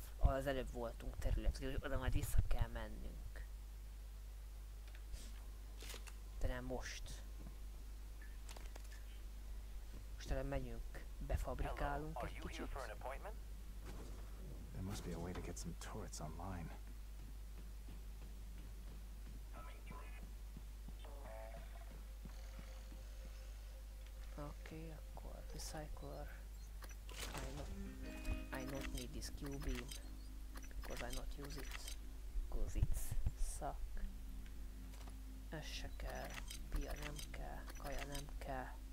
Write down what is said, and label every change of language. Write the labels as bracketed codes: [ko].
[hu] Az előbb voltunk terület, oda majd vissza kell mennünk. De nem most. Most erre megyünk, befabrikálunk egy kicsit. [en] There must be a way to get some turrets online. [hu] Okay, akkor recycler. [en] I not need this cube. Because I not use it, because it suck. [hu] Ez se kell, pia nem kell, kaja nem kell.